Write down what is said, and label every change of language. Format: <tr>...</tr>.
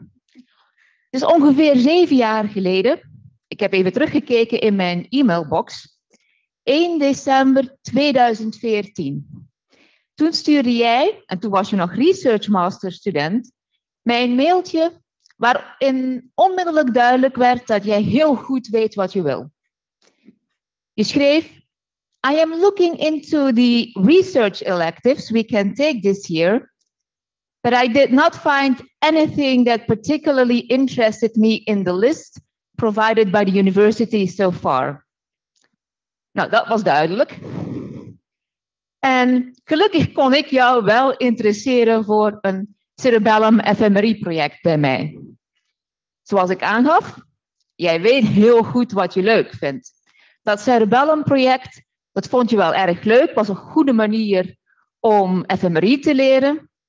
<nl>Het is ongeveer 7 jaar geleden, ik heb even teruggekeken in mijn e-mailbox, 1 december 2014. Toen stuurde jij, en toen was je nog research master student, mij een mailtje waarin onmiddellijk duidelijk werd dat jij heel goed weet wat je wil. Je schreef:</nl> <en>I am looking into the research electives we can take this year, but I did not find anything that particularly interested me in the list provided by the university so far.</en> <nl>Nou, dat was duidelijk. En gelukkig kon ik jou wel interesseren voor een cerebellum fMRI project bij mij. Zoals ik aangaf, jij weet heel goed wat je leuk vindt. Dat cerebellum project, dat vond je wel erg leuk, was een goede manier om fMRI te leren.</nl>